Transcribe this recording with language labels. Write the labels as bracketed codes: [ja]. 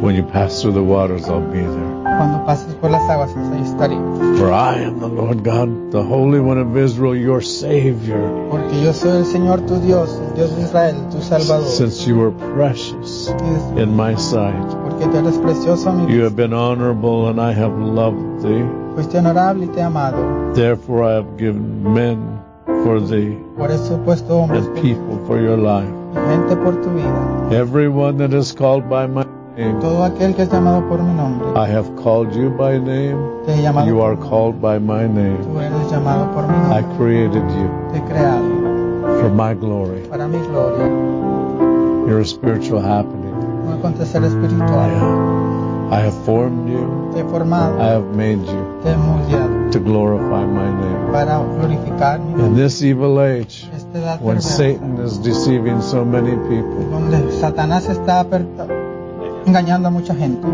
[en] When you pass through the waters, I'll be there. [es] Cuando pases por las aguas, ahí estaré. [en] For I am the Lord God, the Holy One of Israel, your Savior. [es] Porque yo soy el Señor tu Dios, el Dios de Israel, tu Salvador. [en] Since you were precious in my sight, [es] porque tú eres precioso, mi Dios. [en] You have been honorable and I have loved thee. [es] Fuiste honorable y te he amado. [en] Therefore I have given men for thee. [es] Por eso he puesto hombres [en] and people for your life. [es] Y gente por tu vida. [en] Everyone that is called by my [es] todo aquel que es llamado por mi nombre. [en] I have called you by name. [es] Te he llamado. [en] You are called by my name. [es] Tú eres llamado por mi nombre. [en] I created you. [es] Te he creado. [en] For my glory. [es] Para mi gloria. [en] You're a spiritual happening. [es] Un acontecer espiritual. [en] I have formed you. [es] Te he formado. [en] I have made you. [es] Te he moldeado. [en] To glorify my name. [es] Para glorificar mi nombre. [en] In this evil age, when Satan is deceiving so many people, [es] donde Satanás está apertado engañando a mucha gente.